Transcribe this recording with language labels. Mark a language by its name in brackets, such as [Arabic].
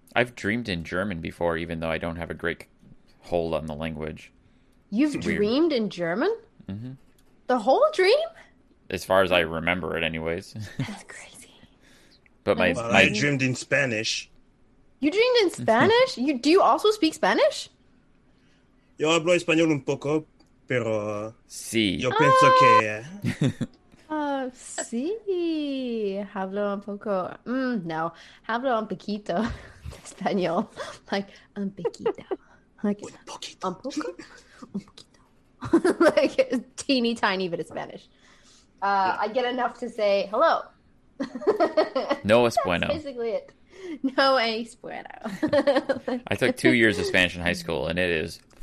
[English] I've dreamed in German before, even though I don't have a great hold on the language. You've dreamed in German? Mm-hmm. The whole dream? As far as I remember it, anyways. That's crazy. But I dreamed in Spanish. You dreamed in Spanish? Do you also speak Spanish? [Spanish] Yo hablo español un poco, pero... Sí. Yo pienso que... Sí, hablo un poco. No, hablo un poquito español. [English] Like, [Spanish] un poquito. [English] Like, [Spanish] un poquito. Un poco? Un poquito. [English] Like, a teeny tiny bit of Spanish. I get enough to say hello. [Spanish] No es bueno. [English] That's basically it. [Spanish] No es bueno. [English] I took 2 years of Spanish in high school, and it is...